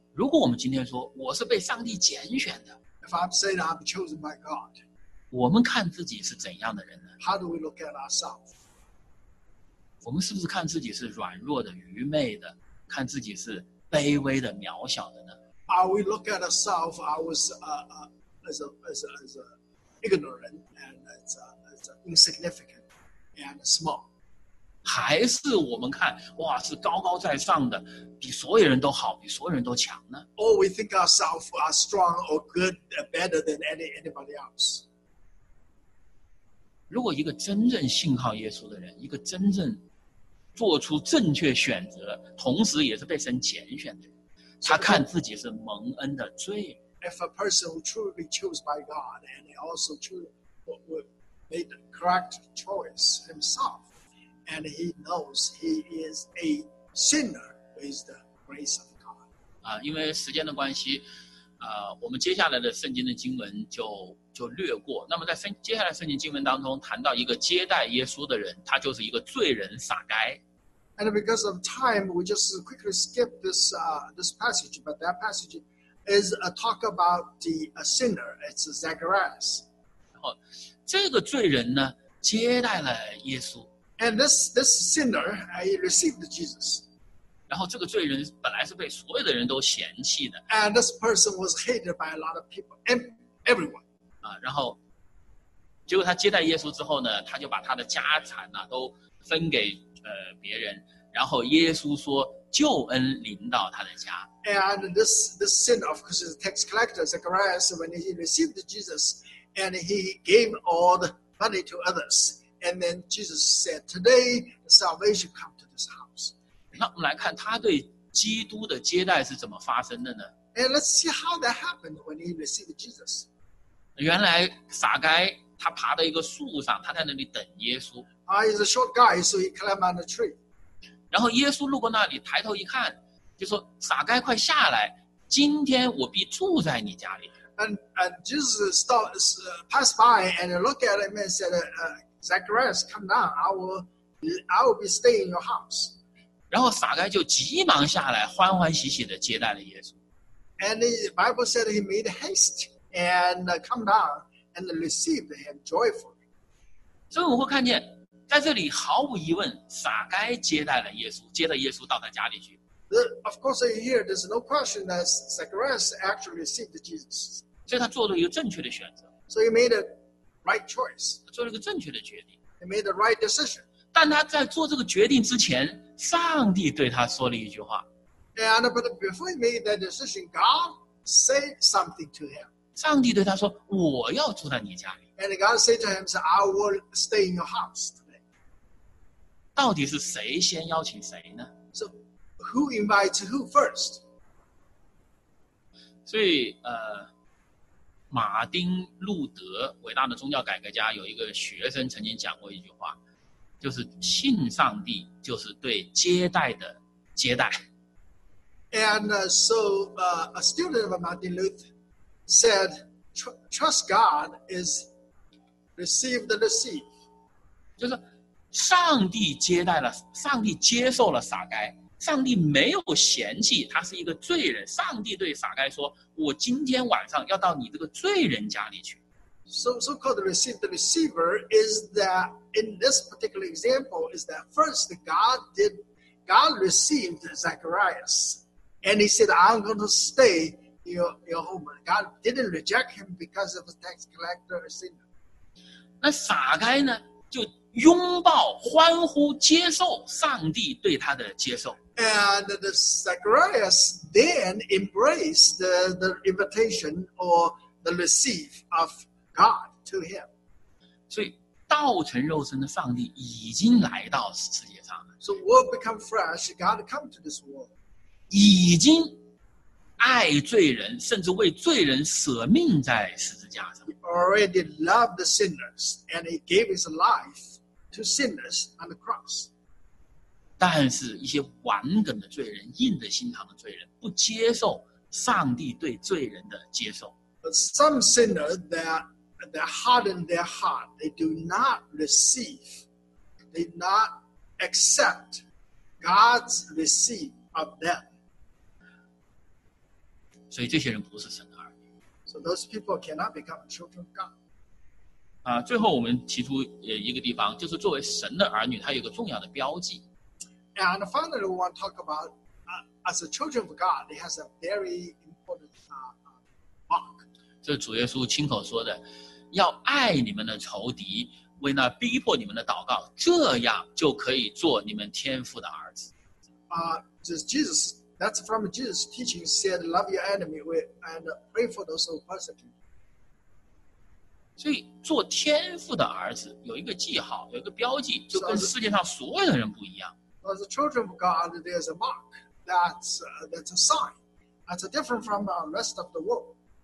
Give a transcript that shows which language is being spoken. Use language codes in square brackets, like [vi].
[zh] 如果我们今天说我是被上帝拣选的 [en] ，If I said I'm chosen by God. [zh] 我们看自己是怎样的人呢 [en] ？How do we look at ourselves? [zh] 我们是不是看自己是软弱的、愚昧的，看自己是卑微的、渺小的呢？ [en] Are we look at ourselves as ignorant and as insignificant and small? [zh] 还是我们看哇是高高在上的，比所有人都好，比所有人都强呢 [en] ？Or we think ourselves are strong or good, better than anybody else? [zh] 如果一个真正信靠耶稣的人，一个真正做出正确选择，同时也是被神拣选的人。他看自己是蒙恩的罪。 [en] If a person who truly chose by God and he also truly made the correct choice himself, and he knows he is a sinner with the grace of God. [zh] 啊，因为时间的关系，我们接下来的圣经的经文就略过。那么在接下来圣经经文当中谈到一个接待耶稣的人，他就是一个罪人撒该。 [en] And because of time, we just quickly skip this passage. But that passage is a talk about the sinner. It's Zacharias. [zh] 然后这个罪人呢，接待了耶稣。 [en] And this sinner, he received Jesus. [zh] 然后这个罪人本来是被所有的人都嫌弃的。 [en] And this person was hated by a lot of people, everyone. [zh] 啊，然后结果他接待耶稣之后呢，他就把他的家产呢都分给。别人，然后耶稣说救恩临到他的家。 [en] And this sinner, of course, is a tax collector, Zacharias, when he received Jesus, and he gave all the money to others. And then Jesus said, today, salvation come to this house. [zh] 那我们来看他对基督的接待是怎么发生的呢？ [en] And let's see how that happened when he received Jesus. [zh] 原来撒该他爬到一个树上，他在那里等耶稣。 [en] He's a short guy, so he climbed on the tree. [zh] 然后耶稣路过那里，抬头一看，就说：“撒该，快下来！今天我必住在你家里。” [en] And Jesus stopped, passed by and looked at him and said, "Zacharias, come down. I will be staying in your house." [zh] 然后撒该就急忙下来，欢欢喜喜地接待了耶稣。 [en] And the Bible said he made haste and come down and received him joyfully. [zh] 所以我们会看见。在这里毫无疑问撒该接待了耶稣接了耶稣到他家里去。 [en] Of course, here there's no question that Zacharias actually received Jesus. [zh] 所以他做了一个正确的选择。 [en] So he made a right choice. [zh] 他做了一个正确的决定。 [en] He made the right decision. [zh] 但他在做这个决定之前上帝对他说了一句话。 [en] But before he made that decision, God said something to him. [zh] 上帝对他说我要住在你家里。 [en] And God said to him, I will stay in your house. [zh] 到底是谁先邀请谁呢 [en] ？So, who invites who first? [zh] 所以，马丁·路德，伟大的宗教改革家，有一个学生曾经讲过一句话，就是信上帝就是对接待的接待。 [en] And a student of Martin Luther said, "Trust God is receive the receive." [zh] 就是。上帝接待了，上帝接受了撒该，上帝没有嫌弃他是一个罪人。上帝对撒该说：“我今天晚上要到你这个罪人家里去。” [en] So called receive the receiver is that in this particular example is that first God received Zacharias and he said I'm going to stay in your home. God didn't reject him because of a tax collector sinner. [zh] 那撒该呢？就拥抱、欢呼、接受上帝对他的接受。 [en] And the Zacharias then embraced the invitation or the receive of God to him. [zh] 所以道成肉身的上帝已经来到世界上了。 [en] So world become flesh, God come to this world. [zh] 已经爱罪人，甚至为罪人舍命在十字架上。 [en] He already loved the sinners and he gave his life to sinners on the cross. [zh] 但是一些顽梗的罪人，硬着心肠的罪人，不接受上帝对罪人的接受。 [en] But some sinners that harden their heart, they do not receive, they do not accept God's receipt of them. [zh] 所以这些人不是神的儿女。 [en] So those people cannot become children of God. [zh] 最后我们提出一个地方，就是作为神的儿女，它有个重要的标记。 [en] And finally, we want to talk about, as a children of God, it has a very important mark. [zh] 这是主耶稣亲口说的，要爱你们的仇敌，为那逼迫你们的祷告，这样就可以做你们天父的儿子。 [en] Jesus, that's from Jesus' teaching, said, love your enemy and pray for those who persecute you. [zh] 所以做天父的儿子有一个记号，有一个标记，就跟世界上所有的人不一样。 [en] As a children of God, there's a mark, that's a sign, that's different from the rest of the world.